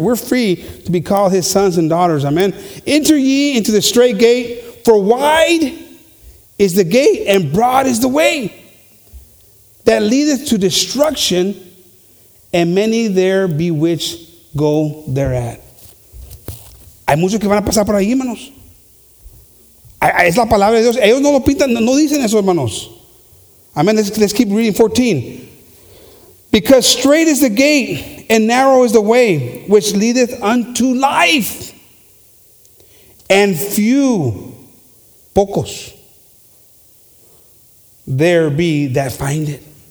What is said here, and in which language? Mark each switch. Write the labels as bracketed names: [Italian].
[English] We're free to be called his sons and daughters. Amén. Enter ye into the straight gate, for wide is the gate and broad is the way that leadeth to destruction. And many there be which go thereat. [Spanish] Hay muchos que van a pasar por ahí, hermanos. Es la palabra de Dios. Ellos no lo pintan, no dicen eso, hermanos. [English] Amen. Let's keep reading 14. Because straight is the gate and narrow is the way which leadeth unto life. And few, pocos, there be that find it.